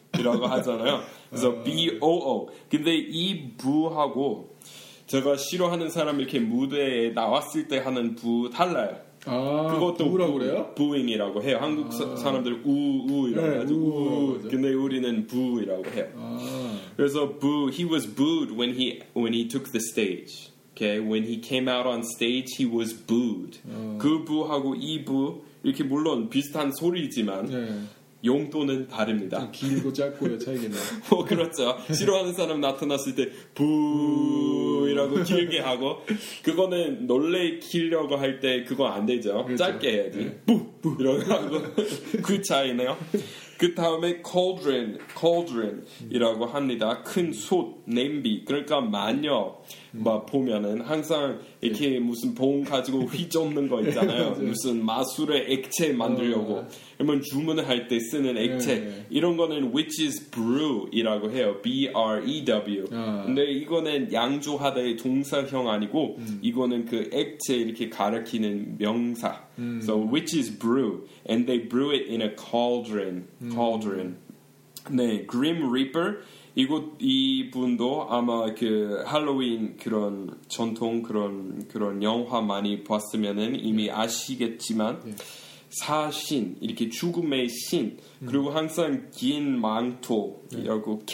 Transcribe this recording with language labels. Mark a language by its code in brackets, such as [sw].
[ko] 이라고 하잖아요. So, B-O-O. 근데 이 부하고 제가 싫어하는 사람 이렇게 무대에 나왔을 때 하는 부 달라요. 아, 그것도 우라고 그래요? 부잉이라고 해요. 한국 아. 사람들 우우 이러가지고 네, 우우. 근데 우리는 부이라고 해요. 아. 그래서 부 [en] he was booed when he took the stage. Okay, when he came out on stage, he was booed. [ko] 아. 그 부하고 이 부 이렇게 물론 비슷한 소리지만 네. 용도는 다릅니다. 길고 짧고의 차이겠네. 어, 그렇죠. 싫어하는 사람 나타났을 때 부. 이라고 길게 하고 그거는 놀래키려고 할 때 그거 안 되죠. 그렇죠. 짧게 해야지. 뿌뿌 네. 이런 하고 그 차이네요. 그 다음에 cauldron이라고 합니다. 큰 솥, 냄비. 그러니까 마녀 막 보면은 항상 이렇게 네. 무슨 봉 가지고 휘젓는 거 있잖아요. 무슨 마술의 액체 만들려고 그러면 주문을 할 때 쓰는 액체 네. 이런 거는 witch's brew이라고 해요. B-R-E-W. 아. 근데 이거는 양조하다의 동사형 아니고 이거는 그 액체 이렇게 가리키는 명사. [en] So witch's brew and they brew it in a cauldron. [ko] Cauldron. 네, Grim Reaper. 이 분도 아마 그 할로윈 그런 전통 그런 영화 많이 봤으면은 이미 네. 아시겠지만 네. 사신 이렇게 죽음의 신 그리고 항상 긴 망토 이라고 네.